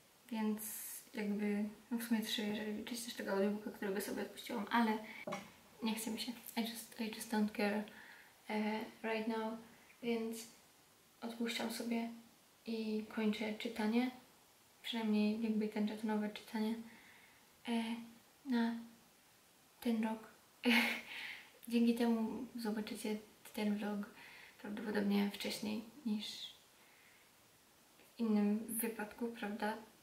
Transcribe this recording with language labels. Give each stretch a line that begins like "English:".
Polish: Więc jakby, no w sumie trzy, jeżeli liczyć też tego audiobooka, którego sobie odpuściłam, ale nie chce mi się.
English: I just don't care right now.
Polish: Więc odpuszczam sobie i kończę czytanie. Przynajmniej jakby ten czatonowe czytanie na ten rok. Dzięki temu zobaczycie ten vlog prawdopodobnie wcześniej niż w innym wypadku, prawda?